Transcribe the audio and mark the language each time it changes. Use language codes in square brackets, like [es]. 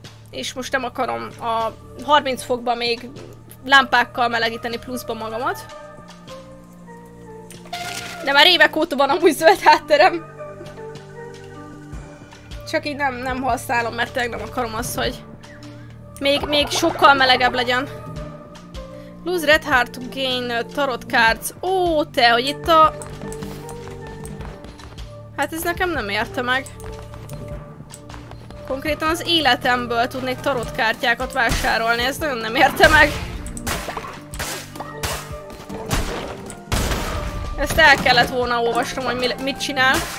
[hu] És most nem akarom a 30 fokban még lámpákkal melegíteni pluszba magamat. De már évek óta van amúgy zöld hátterem. Csak így nem használom, mert tényleg nem akarom azt, hogy... Még sokkal melegebb legyen. [en] Lose red heart to gain tarot cards. [hu] Ó, te, hogy itt a... Hát ez nekem nem érte meg. Konkrétan az életemből tudnék tarot kártyákat vásárolni, ez nagyon nem érte meg. Ezt el kellett volna olvasnom, hogy mit csinál.